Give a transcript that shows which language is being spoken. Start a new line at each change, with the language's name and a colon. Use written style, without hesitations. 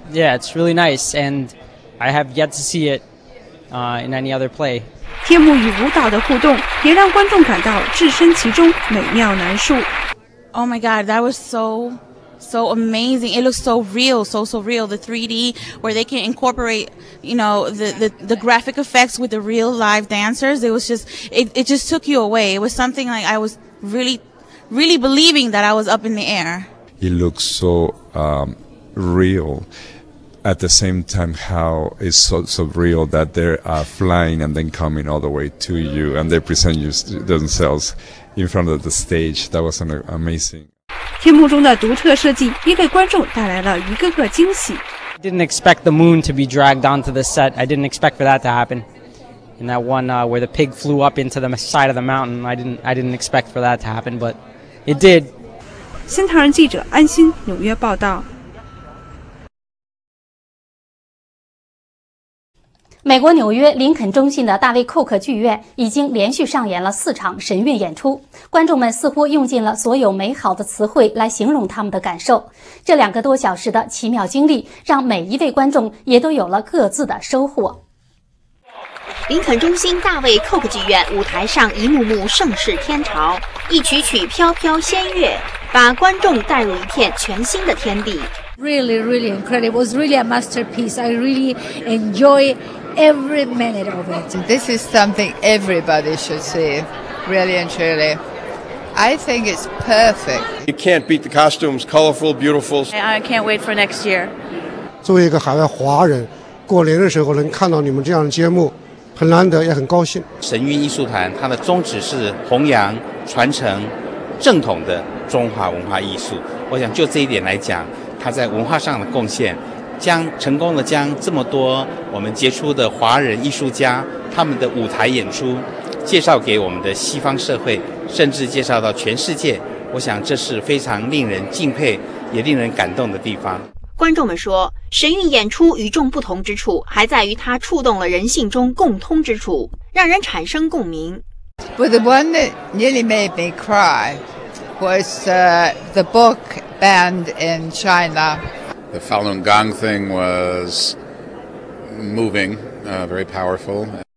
English: Yeah, it's really nice, and I have yet to see it in any other play.
Chinese: 天幕与舞蹈的互动也让观众感到置身其中，美妙难述。
English: Oh my God, that was so amazing. It looks so real. The 3D where they can incorporate, you know, the graphic effects with the real live dancers. It was just, it just took you away. It was something like I was really, really believing that I was up in the air. It looks so real. At the same time, how it's so real that they are flying and then coming all the way to you and they present themselves. In front of the stage, that was amazing.
Chinese: 天幕中的独特设计也给观众带来了一个个惊喜。
English: I didn't expect the moon to be dragged onto the set. I didn't expect for that to happen. And that one where the pig flew up into the side of the mountain, I didn't expect for that to happen, but it did.
Chinese: 新唐人记者安心纽约报道。美国纽约林肯中心的大卫寇克剧院已经连续上演了四场神韵演出，观众们似乎用尽了所有美好的词汇来形容他们的感受。这两个多小时的奇妙经历让每一位观众也都有了各自的收获。林肯中心大卫寇克剧院舞台上一幕幕盛世天朝，一曲曲飘飘仙乐把观众带入一片全新的天地。
English: Really, really incredible. It was really a masterpiece. I really enjoy every minute of it. This is something everybody should see, really and truly. I think it's perfect. You can't beat the costumes, colorful, beautiful. I can't wait for next year.
Chinese: 作为一个海外华人，过年的时候能看到你们这样的节目，很难得，也很高兴。神韵艺术团它的宗旨是弘扬、传承正统的中华文化艺术。我想就这一点来讲，它在文化上的贡献，将成功的将这么多我们杰出的华人艺术家他们的舞台演出介绍给我们的西方社会，甚至介绍到全世界，我想这是非常令人敬佩也令人感动的地方。观众们说，神韵演出与众不同之处还在于它触动了人性中共通之处，让人产生共鸣。
English: But the one that nearly made me cry was the book banned in China. The Falun Gong thing was moving, very powerful.